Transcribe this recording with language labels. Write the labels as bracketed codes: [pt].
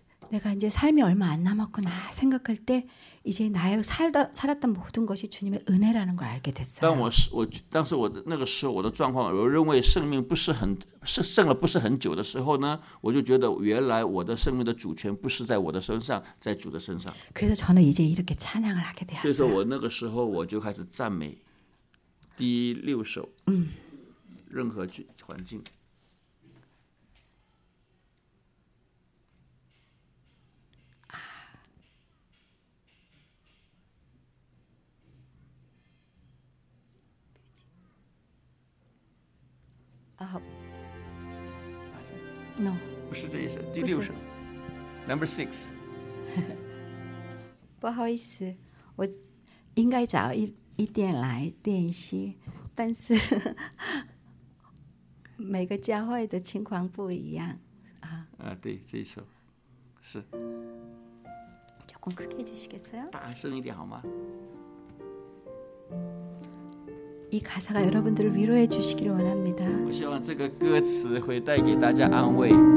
[ko] 내가이제삶이얼마안남았구나생각할때이제나의 살았던모든것이주님의은혜라는걸알게됐어요 [zh] 当 我当时我那个时候我的状况，我认为生命不是很剩了不是很久的时候呢，我就觉得原来我的生命的主权不是在我的身上，在主的身上。 [ko] 그래서저는이제이렇게찬양을하게되었어요 [zh] 所以说我那个时候我就开始赞美第六首，任何环境。 [en] No. [zh] 不是这一首，第六首 ， [en] Number six。 [zh] 不好意思，我应该找一点来练习，但是每个教会的情况不一样啊。啊，对，这一首是。 [ko] 조금크게주시겠어요？ [zh] 大声一点好吗？ [ko] 이가사가여러분들을위로해주시기를원합니다 [zh] 我希望这个歌词会带给大家安慰